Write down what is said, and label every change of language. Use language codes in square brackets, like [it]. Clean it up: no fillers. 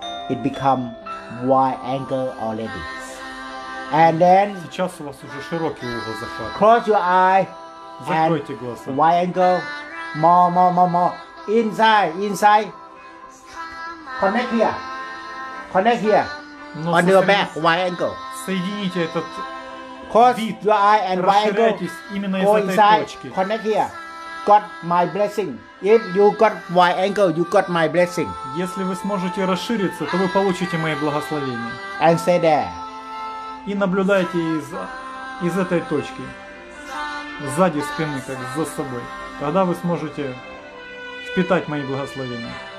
[en] it become wide angle already. And then [ru] сейчас у вас уже широкий угол захвата. [en] Close your eye. [ru] Закройте глаза. [en] Wide angle. More. Inside. Connect here. [ru] Но [en] on your back, wide angle. [ru] Соедините этот [en] Close [ru] вид. [en] Your eye and wide angle. [ru] Расширяйтесь именно из этой [en] inside. [ru] Точки. [en] Connect here. Got my blessing. If you got wide angle, you got my blessing. [ru] Если вы сможете расшириться, то вы получите мои благословения. [en] And stay there. [ru] И наблюдайте из этой точки. Сзади спины, как за собой. Тогда вы сможете впитать мои благословения.